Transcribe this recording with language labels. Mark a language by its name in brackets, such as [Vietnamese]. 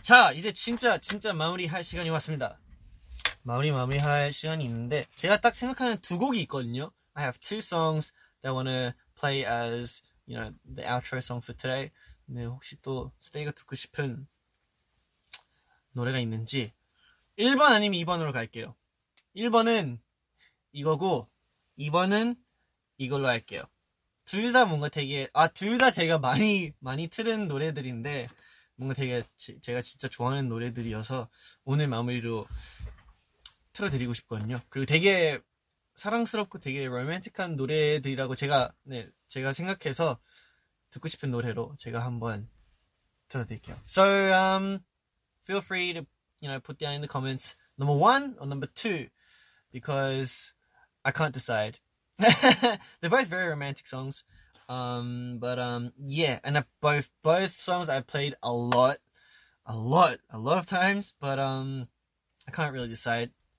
[Korean] 자, 이제 진짜 마무리할 시간이 왔습니다. 마무리할 시간이 있는데 제가 딱 생각하는 두 곡이 있거든요. [English] I have two songs that I want to play as, you know, the outro song for today. [Korean] 근데 혹시 또 스테이가 듣고 싶은 노래가 있는지 1번 아니면 2번으로 갈게요. 1번은 이거고 2번은 이걸로 할게요. 둘 다 뭔가 되게 아 둘 다 제가 많이 틀은 노래들인데 뭔가 되게 제가 진짜 좋아하는 노래들이어서 오늘 마무리로 틀어드리고 싶거든요. 그리고 되게 사랑스럽고 되게 로맨틱한 노래들이라고 제가 생각해서 듣고 싶은 노래로 제가 한번 틀어드릴게요. [English] So feel free to, you know, put down in the comments number one or number two because I can't decide. They're both very romantic songs. But yeah, and both songs I played a lot of times, but I can't really decide.